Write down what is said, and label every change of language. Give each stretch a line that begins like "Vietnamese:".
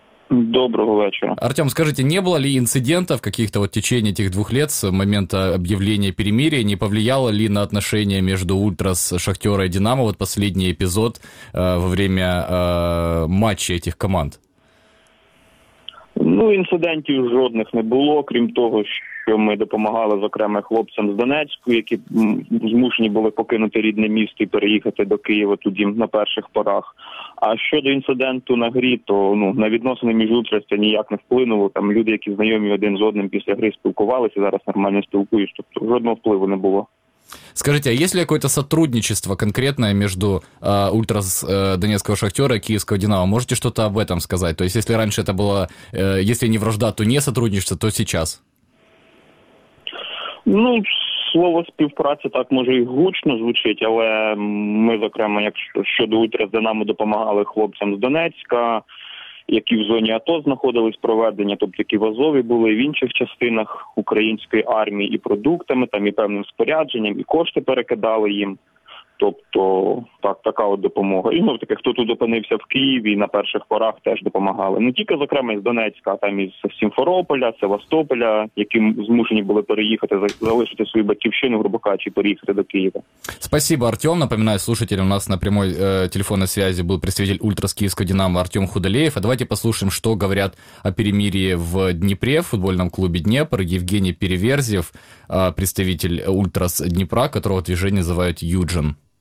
Russian: Доброго вечера. Артем, скажите, не было ли инцидентов каких-то вот в течение этих двух лет с момента объявления перемирия, не повлияло ли на отношения между «Ультрас», «Шахтера» и «Динамо» вот последний эпизод во время матча этих команд?
Ukrainian: Ну, інцидентів жодних не було, крім того, що ми допомагали, зокрема, хлопцям з Донецьку, які змушені були покинути рідне місто і переїхати до Києва туди на перших порах. А щодо інциденту на грі, то ну, на відносини між «Ультрас» це ніяк не вплинуло. Там люди, які знайомі один з одним після гри спілкувалися, зараз нормально спілкуюсь, тобто жодного впливу не було.
Russian: Скажите, а есть ли какое-то сотрудничество конкретное между «Ультрас» Донецкого «Шахтера» и киевского «Динамо»? Можете что-то об этом сказать? То есть, если раньше это было, если не вражда, то не сотрудничество, то сейчас?
Ukrainian: Ну, слово співпраця так може і гучно звучить, але ми, зокрема, якщо щодо «Ультрас» «Динамо» допомагали хлопцям з Донецька, які в зоні АТО знаходились проведення, тобто які в Азові були, і в інших частинах української армії, і продуктами, там, і певним спорядженням, і кошти перекидали їм. Тобто так, така от допомога. І, ну, таке, хто тут опинився в Києві, на перших порах теж допомагали. Не тільки, зокрема, із Донецька, а там із Сімферополя, Севастополя, які змушені були переїхати, залишити свою батьківщину, грубо кажучи, переїхати до Києва.
Russian: Спасибо, Артем. Напоминаю, слушатель, у нас на прямой телефонной связи был представитель «Ультрас» киевского «Динамо» Артем Худалеев. А давайте послушаем, что говорят о перемирии в Днепре, в футбольном клубе «Днепр». Евгений Переверзев, представитель «Ультрас» Днепра, которого движение называют «Юджин».